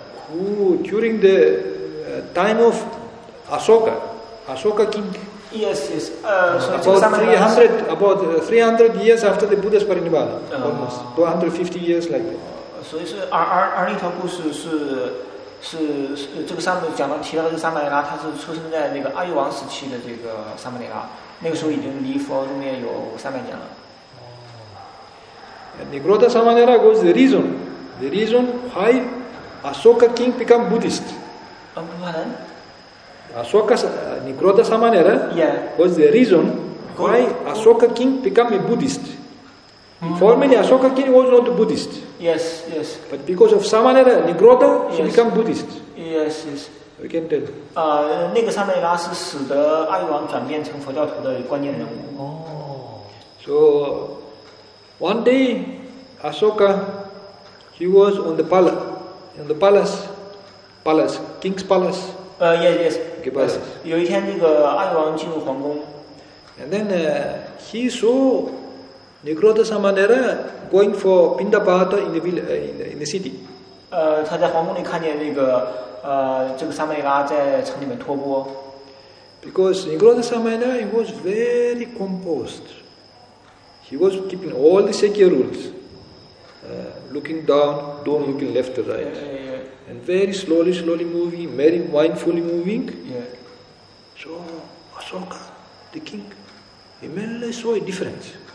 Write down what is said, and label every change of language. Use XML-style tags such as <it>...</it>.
<en>Who during the time of Ashoka, Ashoka king. Yes, yes. About 300 years after the Buddha's Parinibbana, almost 250 years like that.</en> <zh>所以是而那条故事是这个上面讲到提到这个萨曼尼拉，他是出生在那个阿育王时期的这个萨曼尼拉，那个时候已经离佛入灭有300年了。</zh> <en>Nigrodha Samanera was the reason why Ashoka king became Buddhist. Pardon? Nigrodha Samanera was the reason why Ashoka king became a Buddhist. Formerly, Ashoka king was not Buddhist. Yes, yes. But because of Samanera, Nigrodha, he became Buddhist. Yes, yes. We can tell.</en> <zh>那个萨曼尼拉是使得阿育王转变成佛教徒的关键人物。</zh> <en>So,one day, Ashoka, he was on the palace, king's palace. Yes.</en> <zh>有一天，那个阿育王进入皇宫。</zh> <en>And then, he saw Nigrodha Samanera going for Pindapata in the village, in the city.</en> <zh>他在皇宫里看见那个这个萨曼尼拉在城里面托钵。</zh> <en>Because Nigrodha Samanera, he was very composed. He was keeping all the Sekhya rules, looking down, don't looking left to right. Yeah. And very slowly, slowly moving, very mindfully moving. Yeah. So Ashoka, the king, immediately saw a difference.</en>